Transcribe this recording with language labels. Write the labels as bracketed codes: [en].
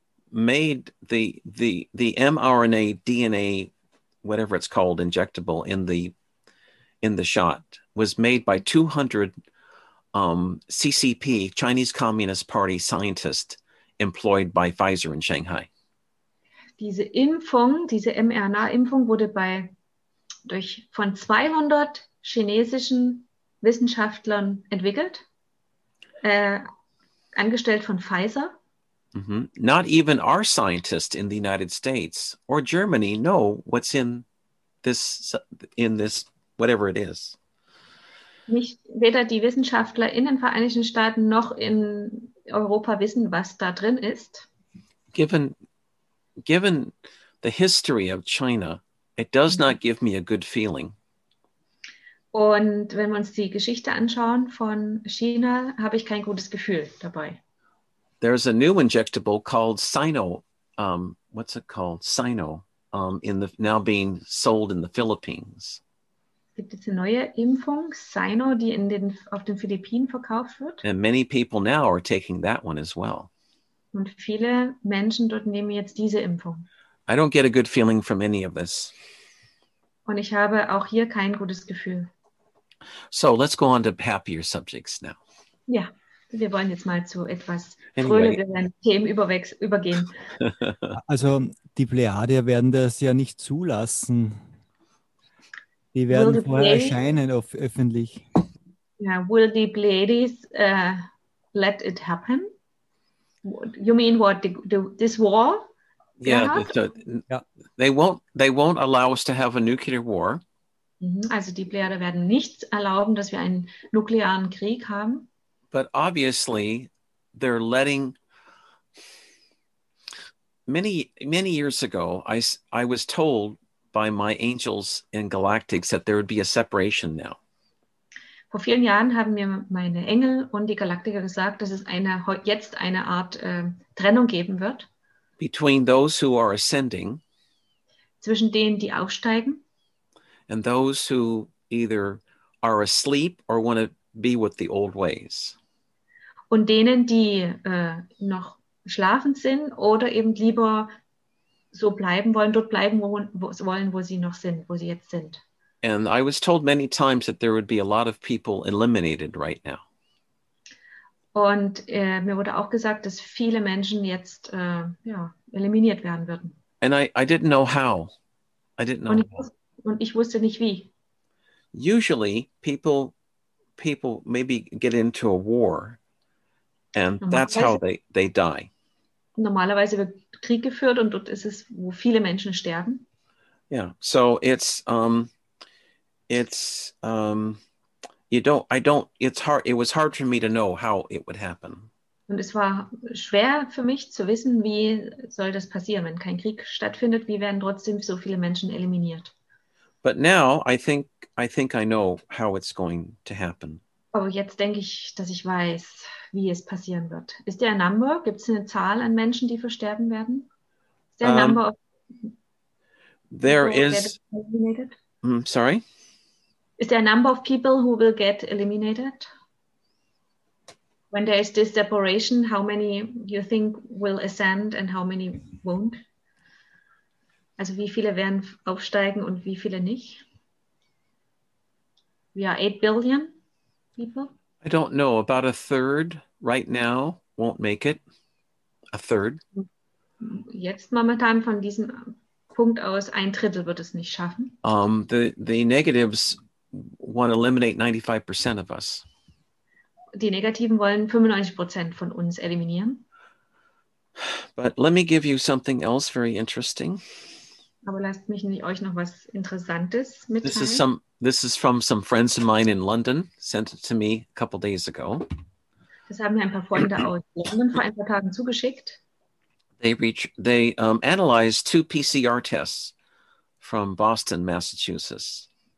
[en] Made the mRNA DNA, whatever it's called, injectable in the shot was made by 200 CCP Chinese Communist Party scientists employed by Pfizer in Shanghai. [de] Diese mRNA-Impfung wurde von 200 chinesischen Wissenschaftlern entwickelt, angestellt von Pfizer. Mm-hmm. [en] Not even our scientists in the United States or Germany know what's in this whatever it is. [de] Nicht weder die Wissenschaftler in den Vereinigten Staaten noch in Europa wissen, was da drin ist. [en] Given the history of China, it does not give me a good feeling. [de] Und wenn wir uns die Geschichte anschauen von China, habe ich kein gutes Gefühl dabei. [en] There's a new injectable called Sino. What's it called? Sino. Now being sold in the Philippines. [de] Gibt es eine neue Impfung, Sino, die auf den Philippinen verkauft wird? [en] And many people now are taking that one as well. [de] Und viele Menschen dort nehmen jetzt diese Impfung. [en] I don't get a good feeling from any of this. [de] Und ich habe auch hier kein gutes Gefühl. [en] So let's go on to happier subjects now. Yeah. [de] Wir wollen jetzt mal zu etwas fröhlicheren Themen übergehen. Also die Plejadier werden das ja nicht zulassen. Die werden vorher erscheinen öffentlich. [en] Yeah, will the Pleiades let it happen? You mean what, this war? Yeah, they won't allow us to have a nuclear war. [de] Also die Plejadier werden nicht erlauben, dass wir einen nuklearen Krieg haben. [en] But obviously, they're letting. Many, many years ago, I was told by my angels in galactics that there would be a separation now. [de] Vor vielen Jahren haben mir meine Engel und die Galaktiker gesagt, dass es jetzt eine Art Trennung geben wird. [en] Between those who are ascending. [de] Zwischen denen, die aufsteigen. [en] And those who either are asleep or want to be with the old ways. [de] Und denen, die noch schlafend sind oder eben lieber so bleiben wollen, dort bleiben wollen, wo sie noch sind, wo sie jetzt sind. [en] And I was told many times that there would be a lot of people eliminated right now. [de] Und mir wurde auch gesagt, dass viele Menschen jetzt eliminiert werden würden. [en] And I didn't know how. I didn't know. [de] Und ich wusste nicht wie. [en] Usually people maybe get into a war and that's how they die. [de] Normalerweise wird Krieg geführt und dort ist es, wo viele Menschen sterben. [en] Yeah, so it was hard for me to know how it would happen. [de] Und es war schwer für mich zu wissen, wie soll das passieren, wenn kein Krieg stattfindet, wie werden trotzdem so viele Menschen eliminiert? [en] But now I think I know how it's going to happen. [de] Aber jetzt denke ich, dass ich weiß, wie es passieren wird. [en] Ist there a number? [de] Gibt es eine Zahl an Menschen, die versterben werden? [en] Is there a number of there people is who will get eliminated? Sorry? Is there a number of people who will get eliminated? When there is this separation, how many you think will ascend and how many won't? [de] Also wie viele werden aufsteigen und wie viele nicht? [en] We are 8 billion people. I don't know. About a third right now won't make it. A third. [de] Jetzt momentan von diesem Punkt aus, ein Drittel wird es nicht schaffen. [en] The negatives want to eliminate 95% of us. [de] Die Negativen wollen 95% von uns eliminieren. [en] But let me give you something else very interesting. [de] Aber lasst mich euch noch was Interessantes mitteilen. [en] This is from some friends of mine in London, sent it to me a couple days ago. [de] Das haben mir ein paar Freunde aus London vor ein paar Tagen zugeschickt. [en] They analyzed 2 PCR tests from Boston, Massachusetts.